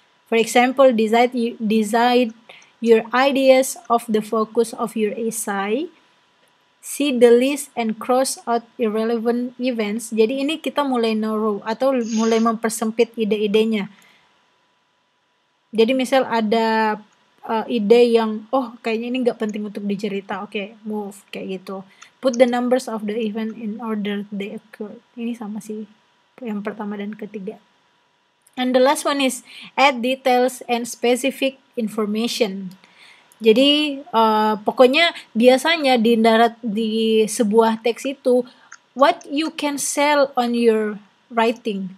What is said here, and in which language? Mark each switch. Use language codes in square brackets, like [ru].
[en] For example, decide your ideas of the focus of your essay. See the list and cross out irrelevant events. [id] Jadi ini kita mulai narrow atau mulai mempersempit ide-idenya. Jadi misal ada ide yang, oh kayaknya ini nggak penting untuk dicerita. [en] Okay, move, [id] kayak gitu. [en] Put the numbers of the event in order they occur. [id] Ini sama sih yang pertama dan ketiga. [en] And the last one is add details and specific information. [id] Jadi pokoknya biasanya di sebuah teks itu [en] what you can sell on your writing.